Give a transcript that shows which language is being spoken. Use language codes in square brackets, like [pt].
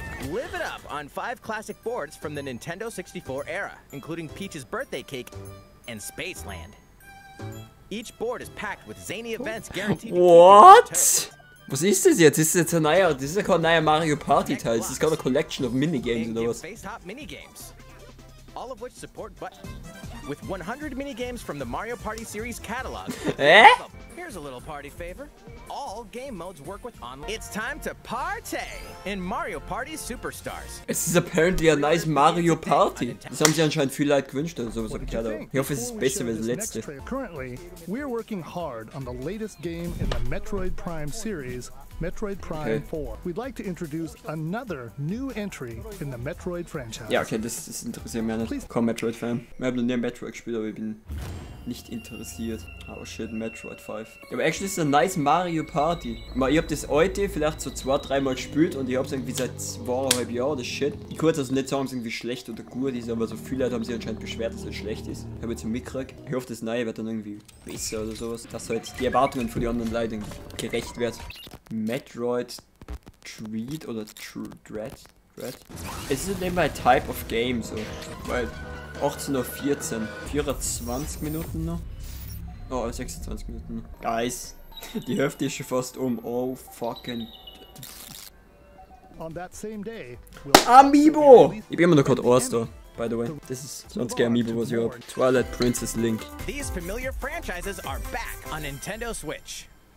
[en] Live it up on 5 classic boards from the Nintendo 64 era, including Peach's Birthday Cake and Space Land. Each board is packed with zany events guaranteed. [de] What? Was ist das jetzt? Ist das jetzt ein neuer, das ist ja kein neuer Mario Party Teil. Das ist gerade eine [en] Collection of Minigames [de] oder was? [en] Face Top Minigames. All of which support but with 100 minigames from the Mario Party series catalog. Here's a little party favor. All game modes work with online. It's time to party in Mario Party Superstars. [de] Es ist [en] apparently a nice Mario Party. [de] Das haben sie anscheinend viel Leute gewünscht oder sowas. Ich hoffe, es ist besser als das letzte. [en] Currently, we're working hard on the latest game in the Metroid Prime series, Metroid Prime 4. We'd like to introduce another new entry in the Metroid franchise. [de] Ja, okay, das interessiert mich nicht. Komm, Metroid-Fan. Ich habe noch nie Metroid gespielt, aber ich bin nicht interessiert. Oh shit, Metroid 5. Aber actually ist es ein nice Mario Party. Ich hab das heute vielleicht so 2-3 Mal gespielt und ich hab's irgendwie seit 2,5 Jahren oder shit. Ich kann jetzt also nicht sagen, ob es irgendwie schlecht oder gut ist, aber so viele Leute haben sich anscheinend beschwert, dass es schlecht ist. Ich hab jetzt einen mitgekriegt. Ich hoffe, das neue wird dann irgendwie besser oder sowas. Dass halt die Erwartungen von den anderen Leuten gerecht wird. Metroid Dread oder Dread? Es ist nebenbei [en] Type of Game [de] so. Weil 18.14 Uhr. 24 Minuten noch. Oh, 26 Minuten. Guys, die Hälfte ist schon fast um. Oh, fucking. [en] On that same day, [de] Amiibo! Ich bin immer noch gerade Orster, [en] by the way. [de] Das ist sonst kein Amiibo, was ich hab. Twilight Princess Link. [en] These familiar franchises are back on Nintendo Switch.